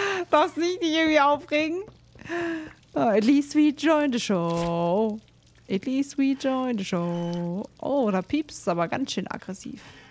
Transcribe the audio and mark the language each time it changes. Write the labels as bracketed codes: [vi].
[de] Darfst nicht dich irgendwie aufregen? [en] At least we join the show. At least we join the show. [de] Oh, da piepst es aber ganz schön aggressiv.